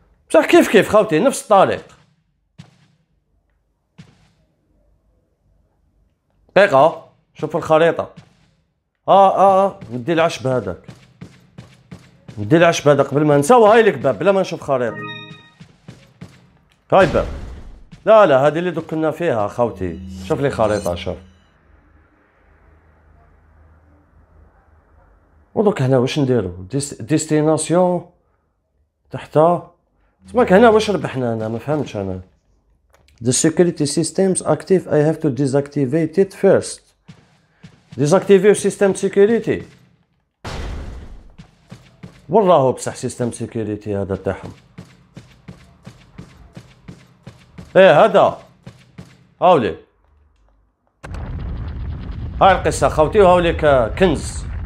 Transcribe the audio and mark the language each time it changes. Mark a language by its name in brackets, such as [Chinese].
[Arabic] بصح كيف كيف خوتي نفس الطريق دقيقة شوف الخريطة ندي العشب هذاك ندي العشب هذا قبل ما نساو هاي لك باب بلا ما نشوف خريطة هاي باب لا لا هذه اللي دكنا فيها خوتي شوف لي خريطة شوف ودوك هنا واش نديرو ديستيناسيون تحت تماك هنا واش ربحنا هنا ما فهمتش انا [English] The security systems active. I have to deactivate it first. Deactivate system security. [Arabic] والله بصح system security هذا تاعهم. ايه هذا. هاولي. هاي القصة خوتي وهاوليك كنز.